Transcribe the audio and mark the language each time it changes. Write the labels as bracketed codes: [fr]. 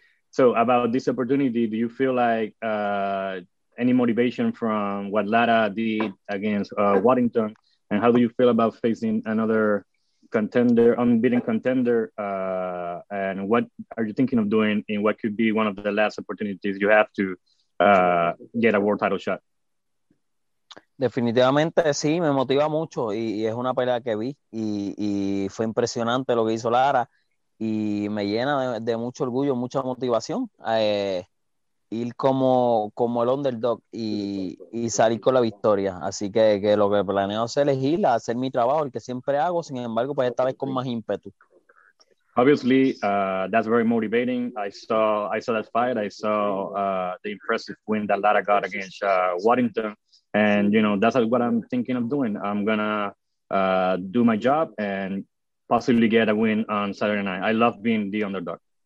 [en] So about this opportunity, do you feel like any motivation from what Lara did against Waddington? And how do you feel about facing another contender, unbeaten contender? And what are you thinking of doing in what could be one of the last opportunities you have to get a world title shot? [es] Definitivamente sí, me motiva mucho y es una pelea que vi y fue impresionante lo que hizo Lara y me llena de mucho orgullo, mucha motivación ir como el underdog y salir con la victoria. Así que lo que planeo hacer es ir a hacer mi trabajo, el que siempre hago, sin embargo, pues esta vez con más ímpetu. [en] Obviously, that's very motivating. I saw that fight. I saw the impressive win that Lara got against Waddington. And, you know, that's what I'm thinking of doing. I'm going to do my job and possibly get a win on Saturday night. I love being the underdog.